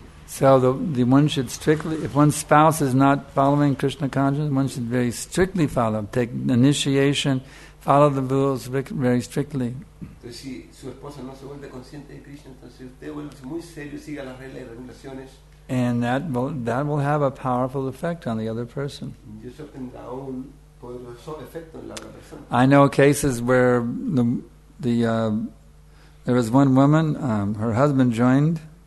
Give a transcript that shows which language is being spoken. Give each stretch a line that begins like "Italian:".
English: So the one should strictly, if one's spouse is not following Krishna consciousness, one should very strictly follow, take initiation, follow the rules very strictly.
Spanish: Entonces, si su esposa no se vuelve consciente de Krishna, entonces usted vuelve muy serio, siga las reglas y regulaciones.
English: And that will have a powerful effect on the other person.
Spanish: Y eso tendrá un poderoso efecto en la otra persona.
English: I know cases where there was one woman, her husband joined.